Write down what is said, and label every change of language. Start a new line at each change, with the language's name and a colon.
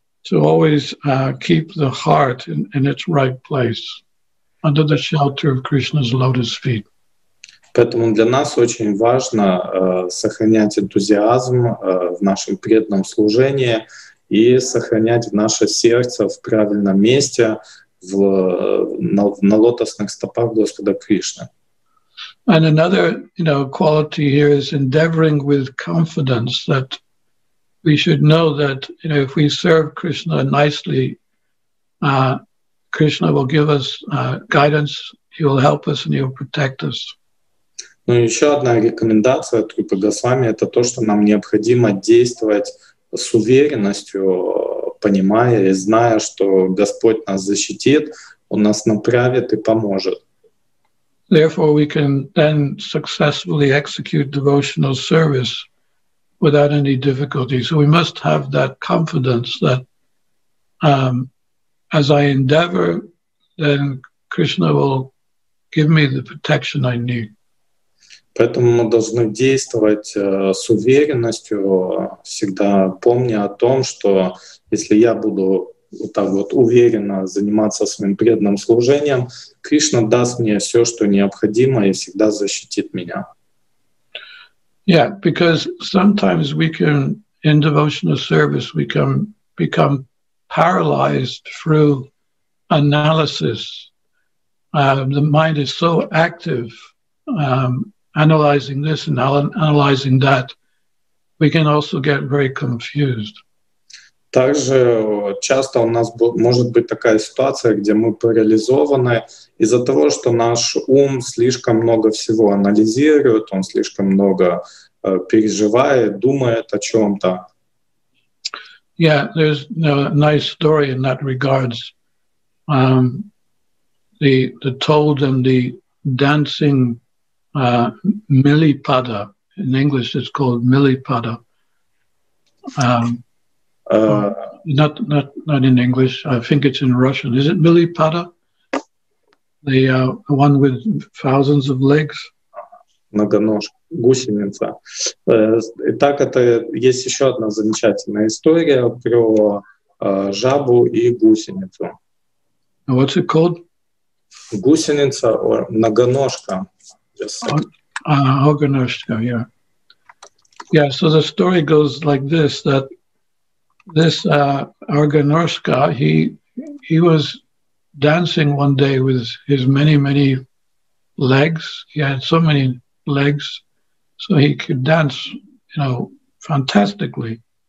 English: To always keep the heart in its right place, under the shelter of Krishna's lotus feet.
Russian: Поэтому для нас очень важно сохранять энтузиазм в нашем преданном служении и сохранять наше сердце в правильном месте на лотосных стопах Господа Кришны.
English: And another, you know, quality here is endeavoring with confidence that. We should know that, you know, if we serve Krishna nicely, Krishna will give us guidance. He will help us and he will protect us.
Russian: Ну еще одна рекомендация от Рупы Госвами — это то, что нам необходимо действовать с уверенностью, понимая и зная, что Господь нас защитит, Он нас направит и поможет.
English: Therefore, we can then successfully execute devotional service. Without any difficulty, so we must have that confidence that, as I endeavor, then Krishna will give me the protection I need.
Russian: Поэтому мы должны действовать с уверенностью, всегда помня о том, что если я буду вот так вот уверенно заниматься своим преданным служением, Кришна даст мне все, что необходимо, и всегда защитит меня.
English: Yeah, because sometimes we can, in devotional service, we can become paralyzed through analysis. The mind is so active, analyzing this and analyzing that, we can also get very confused.
Russian: Также часто у нас может быть такая ситуация, где мы парализованы из-за того, что наш ум слишком много всего анализирует, он слишком много переживает, думает о чём-то.
English: Yeah, there's a nice story in that regards. The toad and the dancing millipada, in English it's called millipada. Not in English. I think it's in Russian. Is it millipada? The one with thousands of legs.
Russian: Многоножка, гусеница. Итак, это есть еще одна замечательная история про жабу и гусеницу.
English: What's it called?
Russian: Гусеница, or многоножка.
English: Огоножка, yeah. Yeah. So the story goes like this: that this Argonoshka, he was dancing one day with his many, many legs. He had so many legs, so he could dance, you know, fantastically.